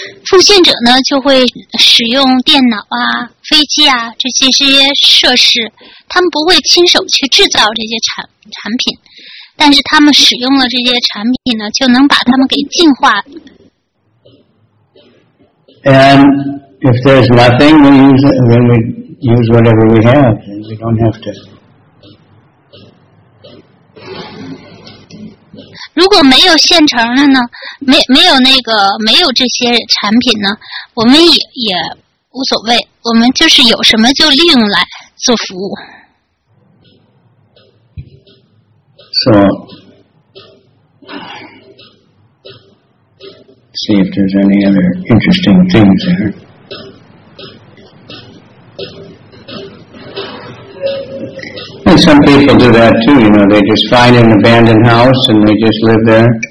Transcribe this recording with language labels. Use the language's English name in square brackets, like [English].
[Chinese] 奉献者呢就会使用电脑啊、飞机啊这些设施，他们不会亲手去制造这些产品，但是他们使用了这些产品呢，就能把他们给净化。 [English] And if there's nothing, we use it, then we use whatever we have, and we don't have to. [Chinese] 如果没有现成的呢，没有那个没有这些产品呢，我们也无所谓，我们就是有什么就利用来做服务。 [English] So, see if there's any other interesting things there. And some people do that too, you know, they just find an abandoned house and they just live there.